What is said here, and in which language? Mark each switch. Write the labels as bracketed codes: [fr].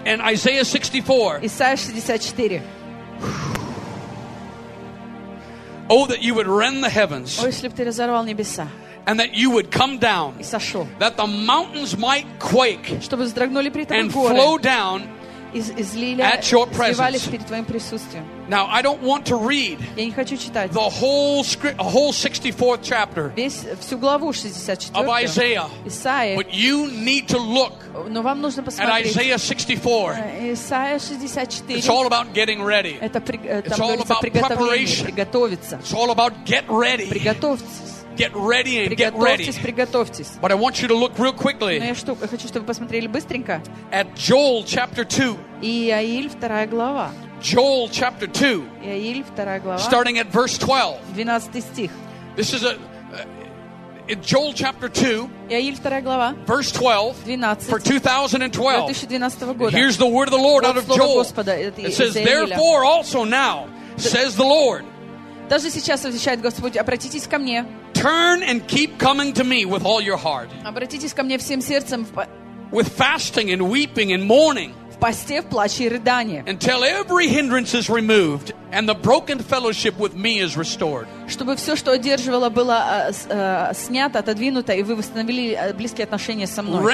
[en] And Isaiah 64. [ru] Исайя 64. [en] Oh, that you would rend the heavens. [ru] Ой, если бы ты разорвал небеса. [en] And that you would come down. [ru] И сошел. [en] That the mountains might quake. [ru] Чтобы вздрогнули при этом [en] and [ru] горы. [en] And flow down. At your presence. Now I don't want to read the whole 64th chapter of Isaiah, but you need to look at Isaiah 64. It's all about getting ready. It's all about preparation. It's all about get ready. Get ready and get ready. [ru] Приготовьтесь. [en] But I want you to look real quickly. [ru] Но я хочу, чтобы вы посмотрели быстренько. [en] At Joel chapter 2. [ru] Иаиль, вторая глава. [en] Joel chapter 2. [ru] Иаиль, вторая глава. [en] Starting at verse 12. [ru] 12 стих. [en] This is a in Joel chapter 2. [ru] Иаиль, вторая глава. [en] Verse 12. 12. For 2012. [ru] 2012 года. [en] Here's the word of the Lord out of Joel. [ru] Господа, [en] it says, therefore also now, says the Lord. [ru] Даже сейчас отвечает Господь, обратитесь ко мне. [en] Turn and keep coming to me with all your heart. [ru] Обратитесь ко мне всем сердцем. [en] With fasting and weeping and mourning. [ru] В посте, в плаче и рыдании. [en] Until every hindrance is removed and the broken fellowship with me is restored. [ru] Чтобы все, что одерживало, было снято, отодвинуто, и вы восстановили близкие отношения со мной.